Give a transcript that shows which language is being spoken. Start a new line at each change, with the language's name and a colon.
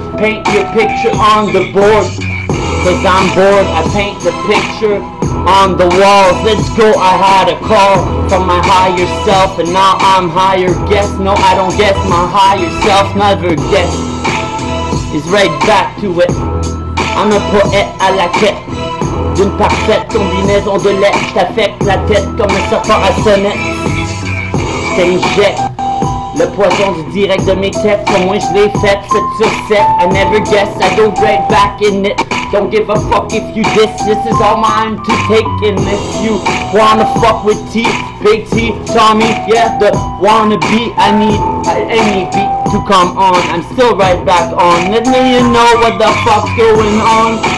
English: Paint your picture on the board. Cause I'm bored, I paint the picture on the walls. Let's go, I had a call from my higher self. And now I'm higher guess. No, I don't guess, my higher self never guess. It's right back to it. I'm a
French: poète à la quête. D'une parfaite combinaison de lettres. J't'affecte la tête comme un serpent à sonnette. J't'injecte le poison du direct de mes têtes. Comme moi je l'ai fait, 7 sur 7.
English: I never guess, I go right back in it. Don't give a fuck if you diss. This is all mine to take in this. You wanna fuck with T, Big T, Tommy. Yeah, the wannabe. I need any beat to come on. I'm still right back on. Let me know what the fuck's going on.